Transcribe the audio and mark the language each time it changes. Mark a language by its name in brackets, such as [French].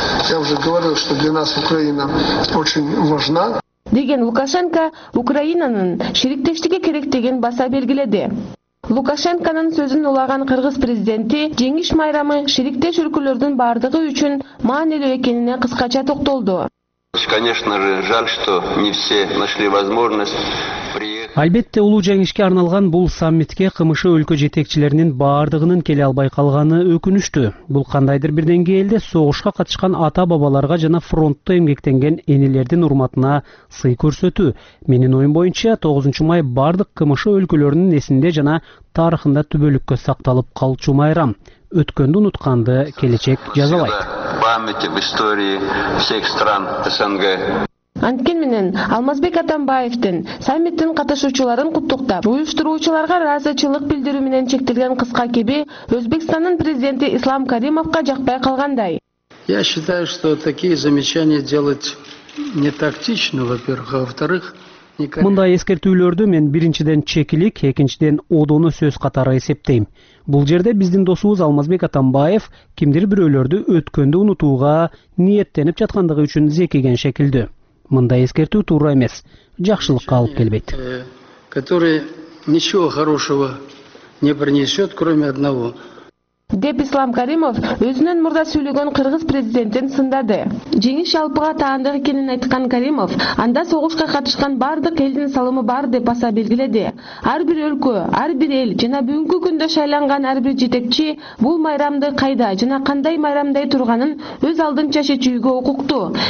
[Russian] Я уже говорил, что для нас Украина очень важна. [Kyrgyz] Деген Лукашенко Украинанын шириктештиги керек деген баса белгиледи. Лукашенконун сөзүн улаган кыргыз президенти жеңиш майрамы шириктеш өлкөлөрдүн бардыгы үчүн маанилүү экенине кыскача токтолду. [Russian] Конечно же, жаль, что не все нашли возможность приехать. [Kyrgyz] Албетте, улуу жеңишке арналган бул саммитке КМШ өлкө жетекчилеринин баардыгынын келе албай калганы өкүнүчтүү. Бул кандайдыр бир деңгээлде согушка катышкан ата-бабаларга жана фронтто эмгектенген энелердин урматына сый көрсөтүү. Менин оюм боюнча 9 май бардык КМШ өлкөлөрүнүн эсинде жана тарыхында түбөлүккө сакталып калчу майрам. Өткөндү унутканды келечек жазалайт. [Russian] Памяти в истории всех стран СНГ. [Kyrgyz] Анткен менен Алмазбек Атамбаевдин саммиттин катышуучуларын куттуктап, уюштуруучуларга ыраазычылык билдирүү менен чектелген кыска кеби Өзбекстандын президенти Ислам Каримовго жакпай калгандай. [Russian] Я считаю, что такие замечания делать не тактично, во-первых, а во-вторых, [Kyrgyz] мындай эскертүүлөрдү мен биринчиден чекилик, экинчиден одоно сөз катары эсептейм. Бул жерде биздин досубуз Алмазбек Атамбаев кимдир бирөөлөрдү өткөндү унутууга ниеттенип жаткандыгы үчүн зекиген шекилдүү. Мындай эскертүү туура эмес, жакшылыкка алып келбейт. [Russian] Который ничего хорошего не принесет, кроме одного. [Kyrgyz] Деп Ислам Каримов өзүнүн мурда сүйлөгөн кыргыз президентин сындады. Жеңиш алпыга таандык экенин айткан Каримов, анда согушка катышкан бардык элдин салымы бар деп баса белгиледи. Ар бир өлкө, ар бир эл жана бүгүнкү күндө шайланган ар бир жетекчи бул майрамды кайда жана кандай майрамдай турганын өз алдынча чечүүгө укуктуу.